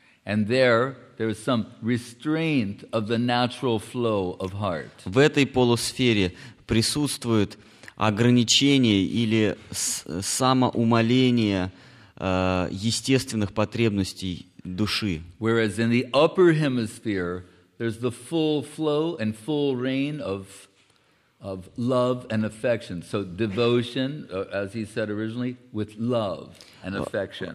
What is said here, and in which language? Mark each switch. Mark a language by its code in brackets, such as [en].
[en] And there is some restraint of the natural flow of heart. [ru] В этой полусфере присутствует ограничение или самоумаление естественных потребностей души. [en] Whereas in the upper hemisphere, there's the full flow and full reign of love and affection. So devotion, as he said originally, with love and affection.